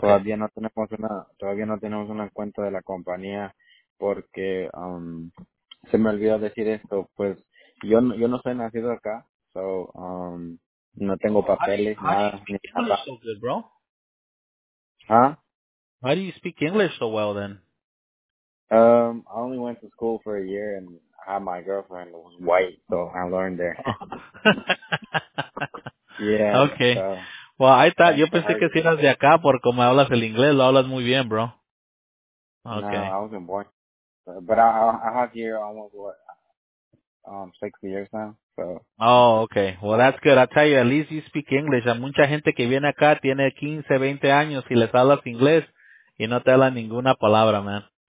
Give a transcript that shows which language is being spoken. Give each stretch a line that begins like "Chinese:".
Spanish: todavía no tenemos una cuenta de la compañía porque se me olvidó decir esto, pues yo no soy nacido acá, so no tengo papeles, nada.
English: So good, bro. Huh? Why do you speak English so well then? I only went to school for a year and had my girlfriend who was white, so I learned there. Yeah. Okay. So, well, I thought,
Spanish: yo pensé que si eras de acá por como hablas el inglés, lo hablas muy bien, bro.
English: Okay. No, I was in Boston. But I have here almost, 6 years now, so. Oh, okay. Well, that's good. I tell you, at least you speak English.
Spanish: Hay mucha gente que viene acá, tiene 15, 20 años y les hablas inglés y no te hablan ninguna palabra, man.